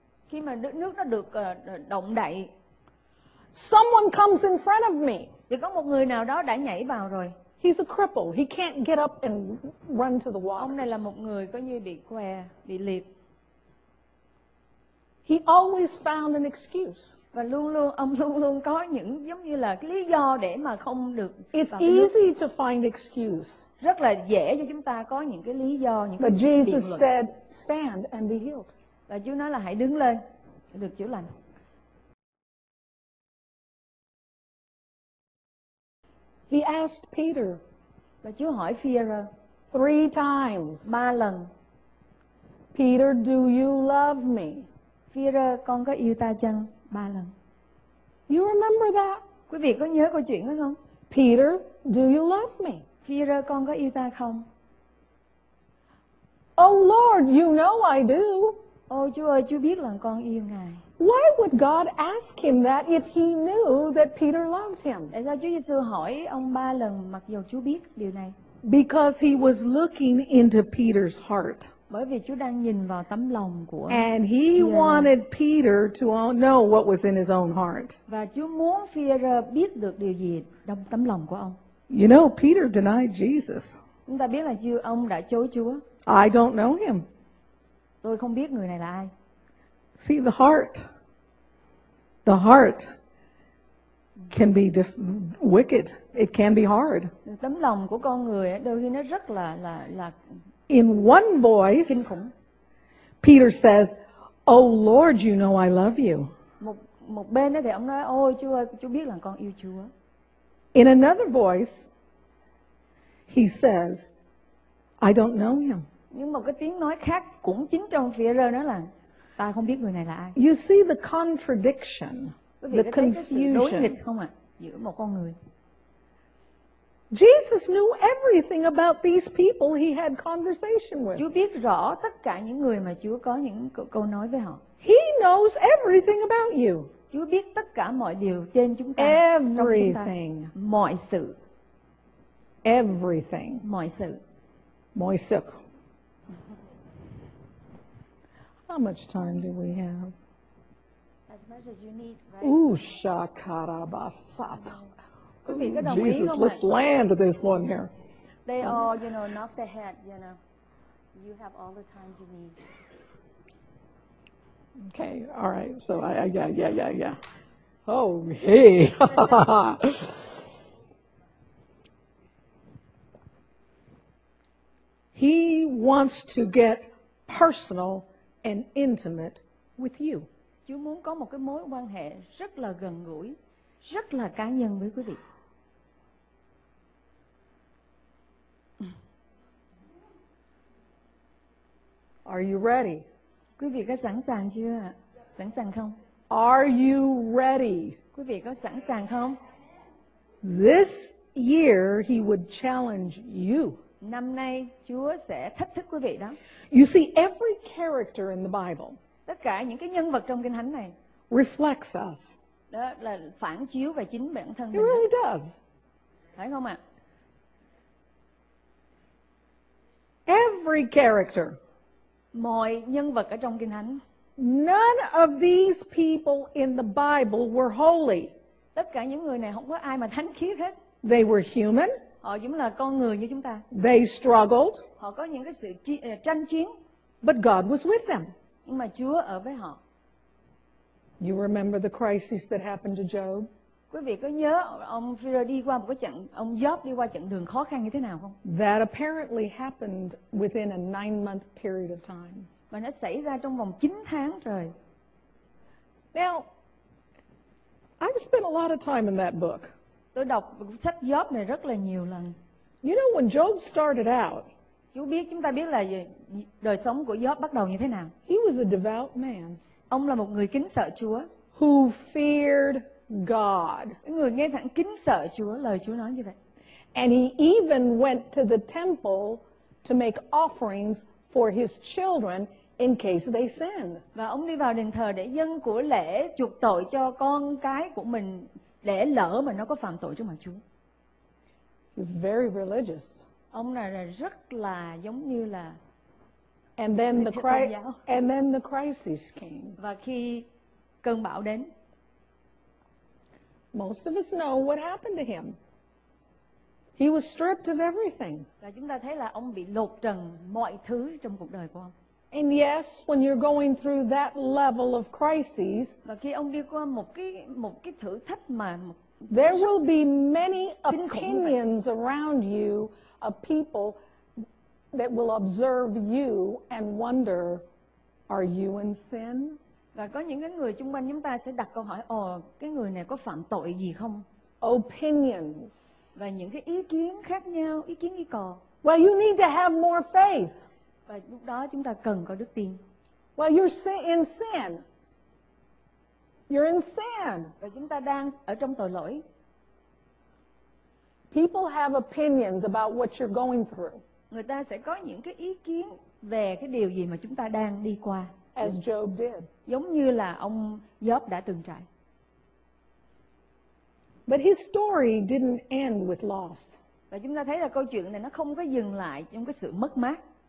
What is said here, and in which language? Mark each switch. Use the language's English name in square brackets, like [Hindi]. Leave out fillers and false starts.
[Vietnamese] Khi mà nước nó được động đậy. [English] Someone comes in front of me. [Vietnamese] Thì có một người nào đó đã nhảy vào rồi. [English] He's a cripple. He can't get up and run to the water. [Vietnamese] Ông này là một người có như bị què, bị liệt. [English] He always found an excuse. [Vietnamese] Và luôn luôn có những giống như là cái lý do để mà không được. [English] It's easy to find excuse. [Vietnamese] Rất là dễ cho chúng ta có những cái lý do, những cái [English] Jesus said, "Stand and be healed." [Vietnamese] Và Chúa nói là hãy đứng lên để được chữa lành. [English] He asked Peter. [Vietnamese] Và Chúa hỏi Phi-e-rơ [English] 3 times. [Vietnamese] 3 lần. [English] Peter, do you love me? [Vietnamese] Phi-e-rơ, con có yêu ta chăng? 3 lần. [English] You remember that? [Vietnamese] Quý vị có nhớ câu chuyện đó không? [English] Peter, do you love me? [Vietnamese] Phi-e-rơ, con có yêu ta không? [English] Oh Lord, you know I do. [Vietnamese] Ôi Chúa ơi, Chúa biết là con yêu Ngài. [English] Why would God ask him that if he knew that Peter loved him? [Vietnamese] Tại sao Chúa Giê-xu hỏi ông 3 lần mặc dù Chúa biết điều này? [English] Because he was looking into Peter's heart. [Vietnamese] Bởi vì Chúa đang nhìn vào tấm lòng của [English] And he Phi-e-rơ. Wanted Peter to know what was in his own heart. [Vietnamese] Và Chúa muốn Phi-e-rơ biết được điều gì trong tấm lòng của ông. [English] You know, Peter denied Jesus. [Vietnamese] Chúng ta biết là Chúa ông đã chối Chúa. [English] I don't know him. [Vietnamese] Tôi không biết người này là ai. [English] See, the heart can be wicked. It can be hard. [Vietnamese] Tấm lòng của con người đôi khi nó rất là [English] In one voice, [Vietnamese] kinh khủng. [English] Peter says, "Oh Lord, you know I love you." [Vietnamese] Một bên đó thì ông nói, "Ôi Chúa ơi, Chúa biết là con yêu Chúa." [English] In another voice, he says, "I don't know him." [Vietnamese] Nhưng một cái tiếng nói khác cũng chính trong Phi-e-rơ đó là, ta không biết người này là ai. [English] You see the contradiction, the confusion. [Vietnamese] Đối nghịch không ạ? Giữa một con người. [English] Jesus knew everything about these people he had conversation with. [Vietnamese] Chúa biết rõ tất cả những người mà Chúa có những câu nói với họ. [English] He knows everything about you. [Vietnamese] Chúa biết tất cả mọi điều trên chúng ta. [English] Everything. [Vietnamese] Trong chúng ta. Mọi sự. [English] Everything. [Vietnamese] Mọi sự. Mọi sự. [English] How much time do we have? As much as you need, right? Usha karabasata. Jesus, [Vietnamese] ý, [English] let's land this one here. They all, you know, knock the head, you know. You have all the time you need. Okay, all right. So, yeah. Oh, hey. He wants to get personal and intimate with you. [Vietnamese] Chúa muốn có một cái mối quan hệ rất là gần gũi, rất là cá nhân với quý vị. [English] Are you ready? [Vietnamese] Quý vị có sẵn sàng chưa? Sẵn sàng không? [English] Are you ready? [Vietnamese] Quý vị có sẵn sàng không? [English] This year he would challenge you. [Vietnamese] Năm nay Chúa sẽ thách thức quý vị đó. [English] You see, every character in the Bible. [Vietnamese] Tất cả những cái nhân vật trong Kinh Thánh này [English] reflects us. [Vietnamese] Đó là phản chiếu về chính bản thân [English] It [Vietnamese] mình. [English] It really does. [Vietnamese] Thấy không ạ? [English] Every character. [Vietnamese] Mọi nhân vật ở trong Kinh Thánh. [English] None of these people in the Bible were holy. [Vietnamese] Tất cả những người này không có ai mà thánh khiết hết. [English] They were human. [Vietnamese] Họ giống là con người như chúng ta. [English] They struggled. [Vietnamese] Họ có những cái sự tranh chiến. [English] But God was with them. [Vietnamese] Nhưng mà Chúa ở với họ. [English] You remember the crisis that happened to Job? [Vietnamese] Quý vị có nhớ ông Phi-e-rơ đi qua một cái trận, ông Job đi qua trận đường khó khăn như thế nào không? [English] That apparently happened within a 9-month period of time. [Vietnamese] Và nó xảy ra trong vòng 9 tháng trời. [English] Now, I've spent a lot of time in that book. [Vietnamese] Tôi đọc sách Job này rất là nhiều lần. [English] You know, when Job started out, [Vietnamese] Chú biết, chúng ta biết là đời sống của Job bắt đầu như thế nào. [English] He was a devout man. [Vietnamese] Ông là một người kính sợ Chúa. [English] Who feared God. [Vietnamese] Người nghe thẳng kính sợ Chúa, lời Chúa nói như vậy. [English] And he even went to the temple to make offerings for his children in case they sinned. [Vietnamese] Và ông đi vào đền thờ để dâng của lễ chuộc tội cho con cái của mình để lỡ mà nó có phạm tội trước mặt Chúa. [English] He was very religious. [Vietnamese] Ông này là rất là giống như là [English] And then the crisis came. [Vietnamese] Và khi cơn bão đến. [English] Most of us know what happened to him. He was stripped of everything. [Vietnamese] Và chúng ta thấy là ông bị lột trần mọi thứ trong cuộc đời của ông. [English] And yes, when you're going through that level of crisis, [Vietnamese] và khi ông đi qua một cái thử thách mà một, [English] there will be many opinions around you of people that will observe you and wonder, are you in sin? [Vietnamese] Và có những cái người xung quanh chúng ta sẽ đặt câu hỏi, ồ, cái người này có phạm tội gì không? [English] Opinions. [Vietnamese] Và những cái ý kiến khác nhau, ý kiến ý cò. [English] Well, you need to have more faith. [Vietnamese] Và lúc đó chúng ta cần có đức tin. [English] Well, you're in sin. You're in sin. [Vietnamese] Và chúng ta đang ở trong tội lỗi. [English] People have opinions about what you're going through. [Vietnamese] Người ta sẽ có những cái ý kiến về cái điều gì mà chúng ta đang đi qua. [English] As Job did. [Vietnamese] Giống như là ông Job đã từng trải. [English] But his story didn't end with loss. [Vietnamese] Và chúng ta thấy là câu chuyện này nó không có dừng lại trong cái sự mất mát.